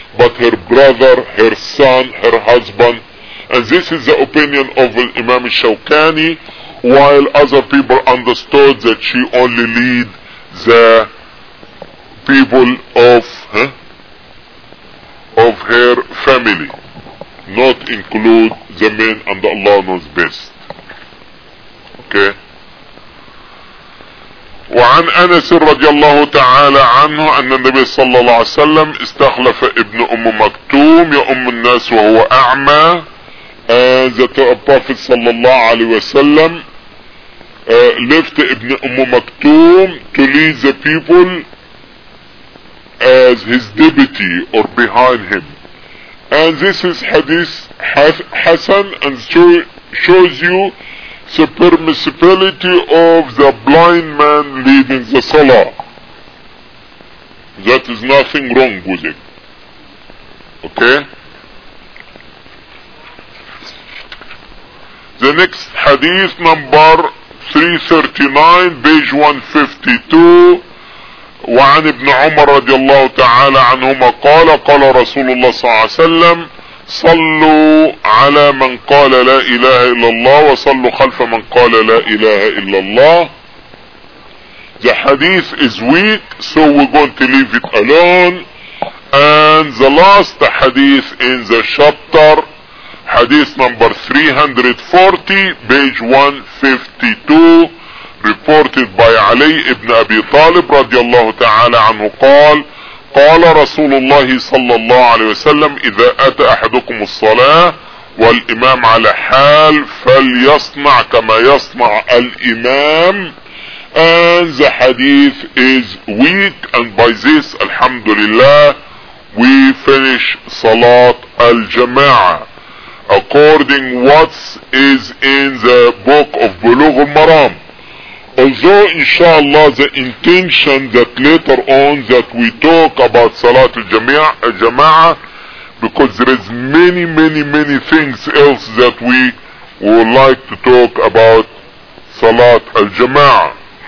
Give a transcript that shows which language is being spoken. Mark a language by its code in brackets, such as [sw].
[en] But her brother, her son, her husband. And this is the opinion of Imam Shawkani, while other people understood that she only lead the people of of her family, not include the men, and Allah knows best. Okay. [ar] وعن أنس رضي الله تعالى عنه أن النبي صلى الله عليه وسلم استخلف ابن أم مكتوم يا أم الناس وهو أعمى. [en] And the Prophet صلى الله عليه وسلم left ابن أم مكتوم to lead the people as his deputy or behind him. And this is hadith Hassan, and shows you the permissibility of the blind man leading the Salah. That is nothing wrong with it. Okay? The next hadith, number 339, page 152. [ar] وعن ابن عمر رضي الله تعالى عنهما قال قال رسول الله صلى الله عليه وسلم صلوا على من قال لا إله إلا الله, وصلوا خلف من قال لا إله إلا الله. [en] The hadith is weak, so we're going to leave it alone. And the last hadith in the chapter, hadith number 340, page 152, reported by Ali ibn Abi Talib [ar] رضي الله تعالى عنه قال قال رسول الله صلى الله عليه وسلم إذا أتى أحدكم الصلاة والإمام على حال فليصنع كما يصنع الإمام. [en] And the hadith is weak, and by this, alhamdulillah, we finish Salat al-Jama'ah according what is in the book of Bulugh al-Maram. Although inshallah the intention that later on that we talk about Salat al-Jama'ah, because there is many things else that we would like to talk about Salat al-Jama'ah.